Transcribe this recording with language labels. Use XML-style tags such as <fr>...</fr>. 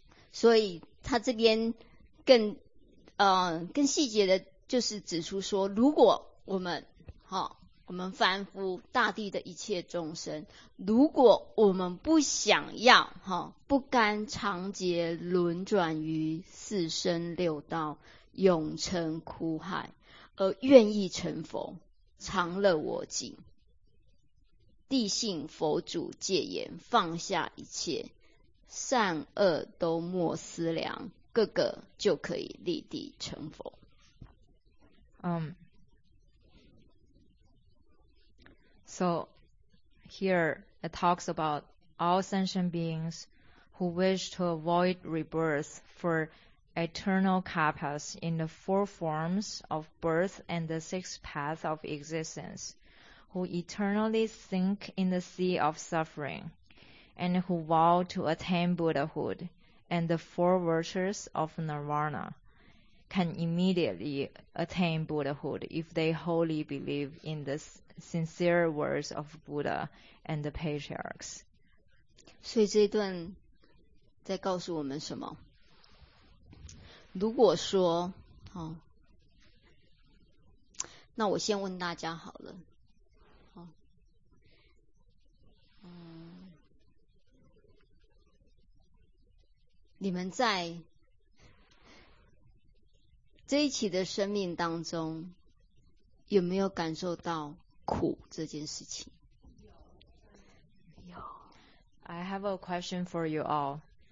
<zh>所以他这边更细节的就是指出说，如果我们好，我们凡夫大地的一切众生，如果我们不想要好，不甘长劫轮转于四生六道，永成苦海，而愿意成佛，常乐我净，地性佛主戒严，放下一切善恶都莫思量，个个就可以立地成佛。</zh> <en>So here it talks about all sentient beings who wish to avoid rebirth for eternal kapas in the four forms of birth and the six paths of existence, who eternally sink in the sea of suffering, and who vow to attain Buddhahood and the four virtues of Nirvana, can immediately attain Buddhahood if they wholly believe in the sincere words of Buddha and the patriarchs.</en> <zh>所以这一段在告诉我们什么？如果说，那我先问大家好了，你们在这一期的生命当中有没有感受到苦这件事情？有。</zh> <en>I have a question for you all.</en>